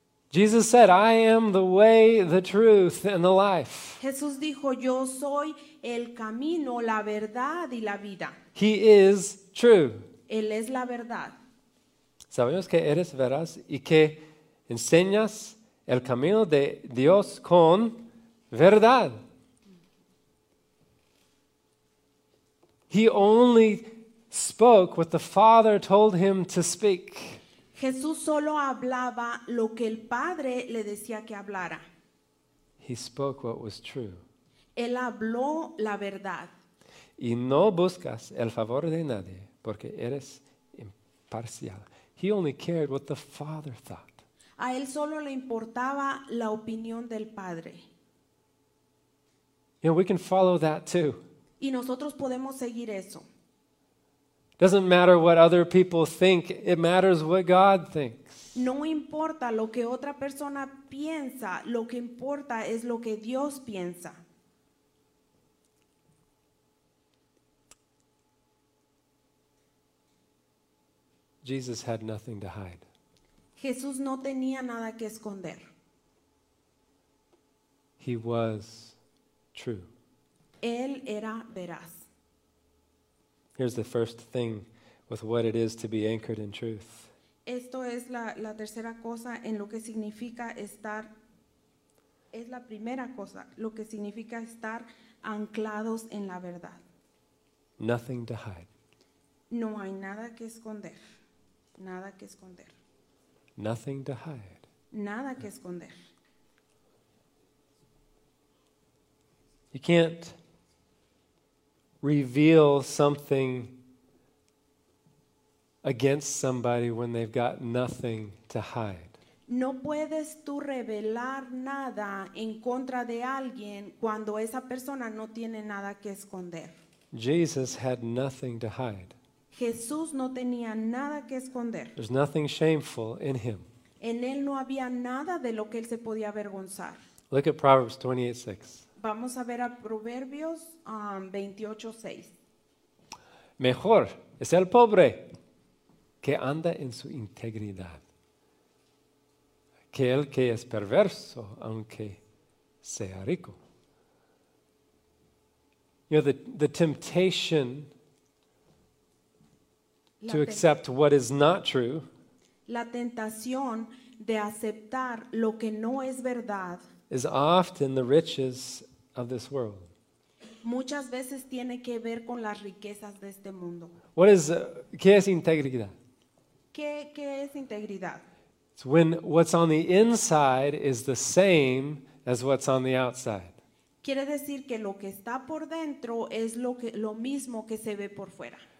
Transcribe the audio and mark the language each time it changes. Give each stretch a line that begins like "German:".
English: Jesus said, I am the way, the truth, and the life.
Spanish: Jesús dijo, yo soy el camino, la verdad y la vida.
English: He is true.
Spanish: Él es la verdad. Sabemos que eres veraz y que enseñas el camino de Dios con verdad.
English: He only spoke what the Father told him to speak.
Spanish: Jesús solo hablaba lo que el Padre le decía que hablara.
English: He spoke what was true.
Spanish: Él habló la verdad. Y no buscas el favor de nadie porque eres imparcial.
English: He only cared what the Father thought.
Spanish: A él solo le importaba la opinión del Padre.
English: You know, we can follow that too.
Spanish: Y nosotros podemos seguir eso.
English: Doesn't matter what other people think, it matters what God thinks.
Spanish: No importa lo que otra persona piensa, lo que importa es lo que Dios piensa.
English: Jesus had nothing to hide.
Spanish: Jesús no tenía nada que esconder.
English: He was true.
Spanish: Él era veraz.
English: Here's the first thing with what it is to be anchored in truth.
Spanish: Esto es la tercera cosa en lo que significa estar, es la primera cosa, lo que significa estar anclados en la verdad.
English: Nothing to hide.
Spanish: No hay nada que esconder. Nada que esconder.
English: Nothing to hide.
Spanish: Nada que esconder.
English: You can't reveal something against somebody when they've got nothing to hide.
Spanish: No puedes tú revelar nada en contra de alguien cuando esa persona no tiene nada que esconder.
English: Jesus had nothing to hide.
Spanish: Jesús no tenía nada que esconder.
English: There's nothing shameful in him.
Spanish: En él no había nada de lo que él se podía avergonzar.
English: Look at Proverbs 28:6.
Spanish: Vamos a ver a Proverbios 28:6. Mejor es el pobre que anda en su integridad que el que es perverso aunque sea rico.
English: You know, the temptation to accept what is not true.
Spanish: La tentación de aceptar lo que no es verdad
English: is often the riches of this world.
Spanish: Muchas veces tiene que ver con las riquezas de este mundo.
English: What is
Spanish: qué es integridad? ¿Qué es integridad?
English: It's when what's on the inside is the same as what's on the outside.
Spanish: Quiere decir que lo que está por dentro es lo mismo que se ve por fuera.